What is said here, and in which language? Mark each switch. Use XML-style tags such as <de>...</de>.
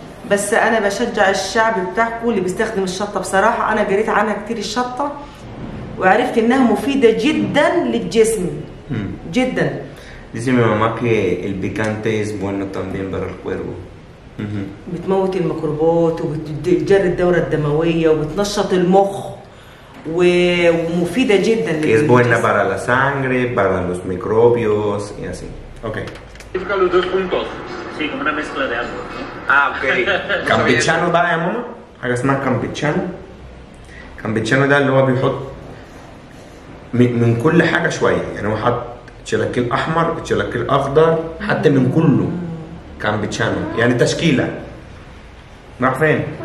<ar>بس انا بشجع الشعب بتاعكم اللي بيستخدم الشطه بصراحه انا قريت عنها كتير الشطه وعرفت انها مفيده جدا للجسم جدا.</ar> <es>Dice mi mamá que el picante es bueno también para el cuerpo.</es> <ar>بتموت الميكروبات وبتجري الدوره الدمويه وبتنشط المخ ومفيده جدا للجسم.</ar> <es>Que es buena para la sangre, para los microbios y así. Okay. Explica los dos puntos. Sí, como una mezcla de algo. Ah, okay. Campechano da, ¿eh, mamá? Hagas más campechano.</es> <ar>Campechano da,</ar> <es>luego</es> <ar>بيحط من كل حاجة شوية يعني هو حط تشيلاكيل أحمر تشيلاكيل أخضر حتى من كله كان بتشانو يعني تشكيلة ما أعرف فين</ar>